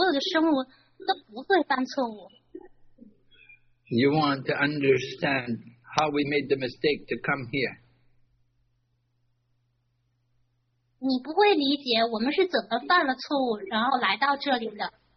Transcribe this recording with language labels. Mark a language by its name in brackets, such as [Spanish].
[Chinese] 物质世界和灵性的世界的特点就是，物质世界所有生物都会犯错误，而灵性世界所有的生物都不会犯错误。 [English] You want to understand how we made the mistake to come here. [Chinese] 你不会理解我们是怎么犯了错误，然后来到这里的。